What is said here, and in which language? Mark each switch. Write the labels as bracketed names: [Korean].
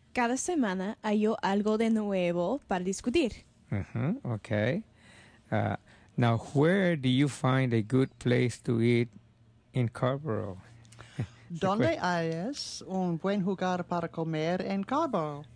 [Spanish] Cada semana, hallo algo de nuevo para discutir. [English] Uh-huh. Okay. Now, where do you find a good place to eat in Carborough? [Spanish] ¿Dónde hayes un buen lugar para comer en Carborough?